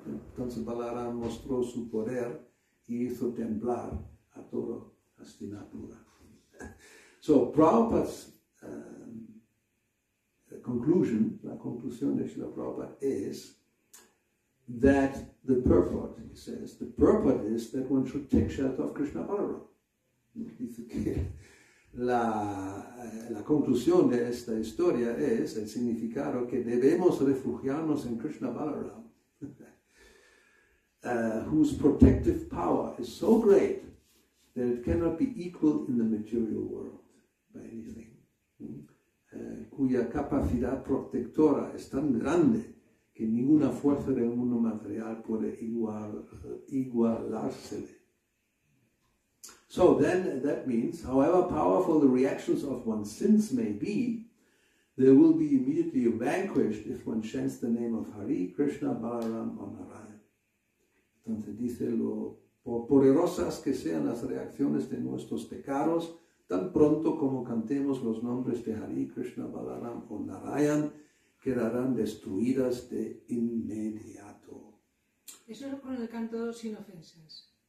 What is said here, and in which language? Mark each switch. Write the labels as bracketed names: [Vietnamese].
[Spanish] Entonces Balaram mostró su poder y hizo temblar a todo Hastinapur. [English] So, Prabhupada's conclusion, [Spanish] la conclusión de Srila Prabhupada [English] is that the purport, he says, the purport is that one should take shelter of Krishna Balaram. [Spanish] Dice que la conclusión de esta historia es el significado que debemos refugiarnos en Krishna Balaram, [English] whose protective power is so great that it cannot be equaled in the material world by anything, [Spanish] cuya capacidad protectora es tan grande que ninguna fuerza del mundo material puede igualársele. [English] So then that means, however powerful the reactions of one's sins may be, they will be immediately vanquished if one chants the name of Hari, Krishna, Balaram or Narayan. [Spanish] Entonces dice, lo poderosas que sean las reacciones de nuestros pecados, tan pronto como cantemos los nombres de Hari, Krishna, Balaram o Narayan, quedarán destruidas de inmediato. Eso es con el canto sin ofensas.